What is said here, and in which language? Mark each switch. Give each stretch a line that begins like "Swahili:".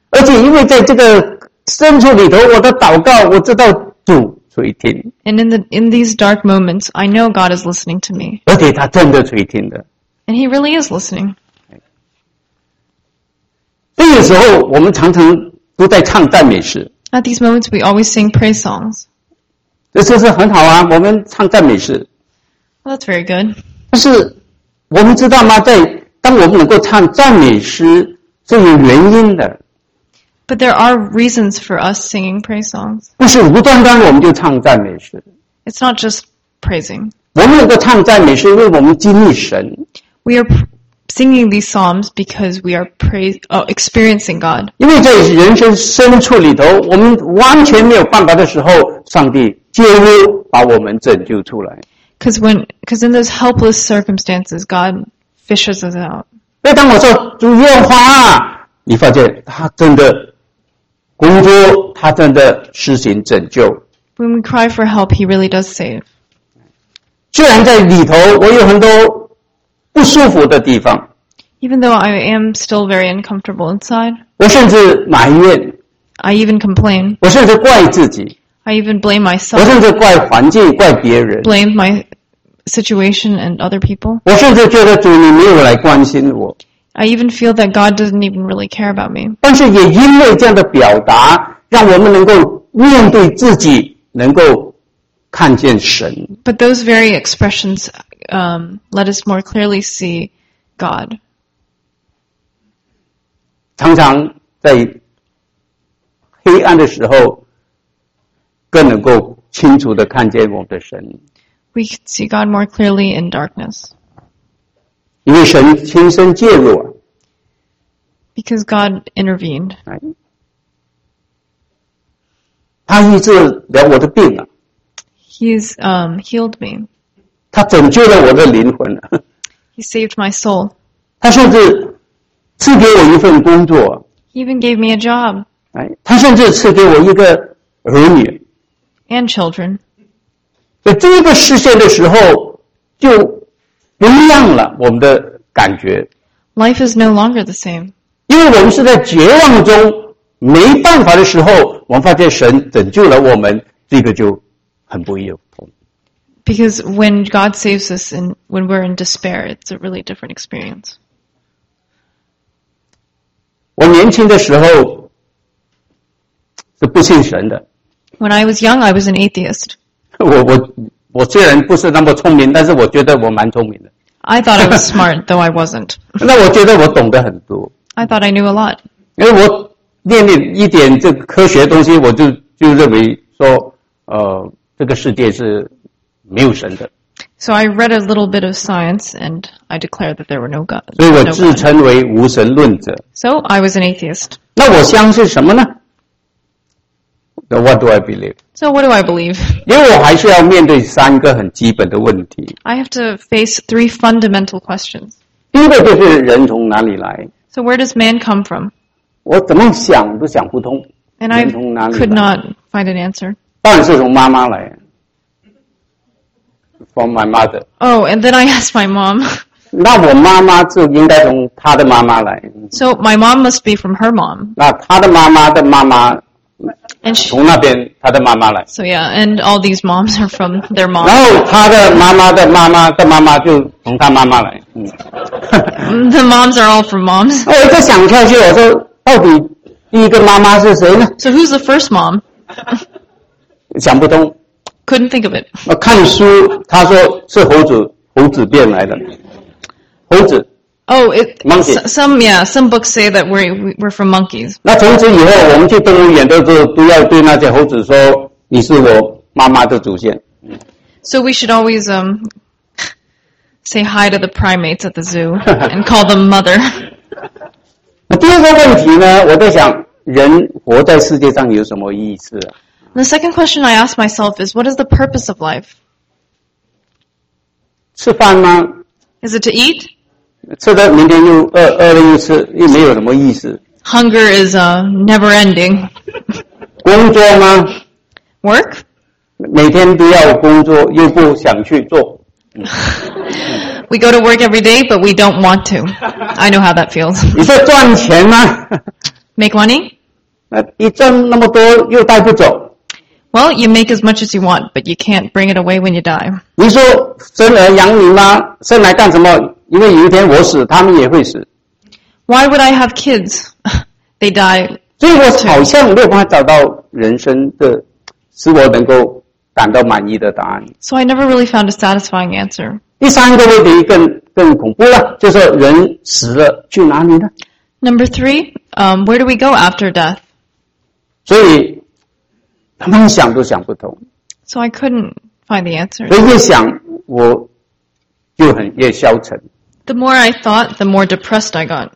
Chinese: 而且因为在这个深处里头，我的祷告，我知道主垂听。
English: And in these dark moments, I know God is listening to me.
Chinese: 而且他真的垂听的。
English: And he really is listening.
Chinese: 这个时候，我们常常都在唱赞美诗。
English: At these moments, we always sing praise songs.
Chinese: 这就是很好啊，我们唱赞美诗。
English: Well, that's very good.
Chinese: 但是我们知道吗？在当我们能够唱赞美诗，是有原因的。
English: But there are reasons for us singing praise songs.
Chinese: 不是无端端我们就唱赞美诗。
English: It's not just praising.
Chinese: 我们能够唱赞美诗，因为我们经历神。
English: We are singing these psalms because we are experiencing God.
Chinese: 因为在人生深处里头，我们完全没有办法的时候，上帝介入把我们拯救出来。
English: Because in those helpless circumstances, God fishes us out.
Chinese: 那当我说主耶和华，你发现他真的工作，他真的施行拯救。
English: When we cry for help, He really does save.
Chinese: 虽然在里头我有很多不舒服的地方。
English: Even though I am still very uncomfortable inside.
Chinese: 我甚至埋怨。
English: I even complain.
Chinese: 我甚至怪自己。
English: I even blame myself.
Chinese: 我甚至怪环境，怪别人。
English: Blame my situation and other people.
Chinese: 我甚至觉得主你没有来关心我。
English: I even feel that God doesn't even really care about me.
Chinese: 但是也因为这样的表达，让我们能够面对自己，能够看见神。
English: But those very expressions, let us more clearly see God.
Chinese: 常常在黑暗的时候，更能够清楚地看见我们的神。
English: we could see God more clearly in darkness.
Chinese: 因为神亲身介入。
English: Because God intervened.
Chinese: 他医治了我的病啊。
English: He's healed me.
Chinese: 他拯救了我的灵魂啊。
English: He saved my soul.
Chinese: 他甚至赐给我一份工作。
English: He even gave me a job.
Chinese: 他甚至赐给我一个儿女。
English: And children.
Chinese: 在这个实现的时候就不一样了我们的感觉。
English: Life is no longer the same.
Chinese: 因为我们是在绝望中没办法的时候我们发现神拯救了我们这个就很不一样。
English: Because when God saves us and when we're in despair, it's a really different experience.
Chinese: 我年轻的时候是不信神的。
English: When I was young, I was an atheist.
Chinese: 我虽然不是那么聪明，但是我觉得我蛮聪明的。
English: I thought I was smart, though I wasn't.
Chinese: 那我觉得我懂得很多。
English: I thought I knew a lot.
Chinese: 因为我念念一点这科学的东西，我就认为说，这个世界是没有神的。
English: So I read a little bit of science, and I declared that there were no gods.
Chinese: 所以我自称为无神论者。
English: So I was an atheist.
Chinese: 那我相信什么呢？
English: What do I believe? So what do I believe?
Chinese: 因为我还是要面对三个很基本的问题。
English: I have to face three fundamental questions.
Chinese: 第一个就是人从哪里来。
English: So where does man come from?
Chinese: 我怎么想都想不通。
English: And I could not find an answer.
Chinese: 当然是从妈妈来。
English: From my mother. Oh, and then I asked my mom.
Chinese: 那我妈妈就应该从她的妈妈来。
English: So my mom must be from her mom.
Chinese: 那她的妈妈的妈妈
English: And she,
Chinese: 从那边他的妈妈来。
English: So yeah, and all these moms are from their mom.
Chinese: 然后他的妈妈的妈妈的妈妈就从他妈妈来。
English: The moms are all from moms.
Chinese: 我在想下去，我说到底第一个妈妈是谁呢
English: ？So who's the first mom?
Chinese: 想不通。
English: Couldn't think of it.
Chinese: 我看书，他说是猴子变来的，猴子。
English: Oh, monkeys. Some books say that we're from monkeys.
Chinese: 那从此以后，我们去动物园都要对那些猴子说：“你是我妈妈的祖先。”
English: So we should always say hi to the primates at the zoo and call them mother.
Chinese: 第二个问题呢，我在想，人活在世界上有什么意思、啊、
English: ？The second question I ask myself is, what is the purpose of life?
Chinese: 吃饭吗
English: ？Is it to eat?
Chinese: 吃的明天又饿了又吃又没有什么意思。
English: Hunger is never ending.
Chinese: 工作吗
English: ？Work.
Chinese: 每天都要工作又不想去做。
English: We go to work every day, but we don't want to. I know how that feels.
Chinese: 你说赚钱吗
English: ？Make money.
Chinese: 一赚那么多又带不走。
English: Well, you make as much as you want, but you can't bring it away when you die.
Chinese: 你说生儿养女吗？生来干什么？因为有一天我死，他们也会死。
English: Why would I have kids? They die.
Chinese: 所以我好像没有办法找到人生的使我能够感到满意的答案。
English: So I never really found a satisfying answer.
Chinese: 第三个问题更恐怖了，就是人死了去哪里呢
English: ？Number three, where do we go after death?
Chinese: 所以他们想都想不通。
English: So I couldn't find the answer.
Chinese: 所以越想我。就很越消沉。
English: The more I thought, the more depressed I got.